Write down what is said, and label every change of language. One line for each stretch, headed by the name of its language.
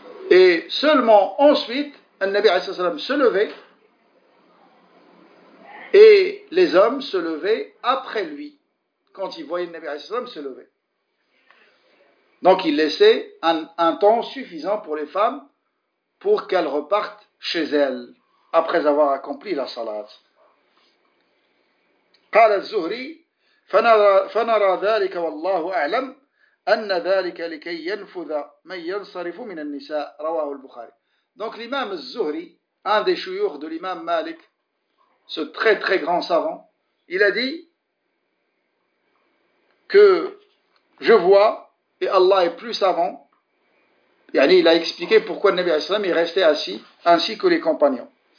French: Et seulement ensuite, Al-Nabi alayhi salam se levait et les hommes se levaient après lui. Quand il voyait le Nabi alayhi salam se lever. Donc il laissait un temps suffisant pour les femmes pour qu'elles repartent chez elles après avoir accompli la salat.
Arabic: قال الزهري فنرى ذلك والله اعلم ان ذلك لكي ينفذ من ينصرف من النساء رواه البخاري.
French: Donc l'imam al-Zuhri, un des chouyoukh de l'imam Malik, ce très très grand savant, il a dit que je vois, et Allah est plus savant, yani il a expliqué pourquoi le Nabi alayhi salam est resté assis, ainsi que les compagnons.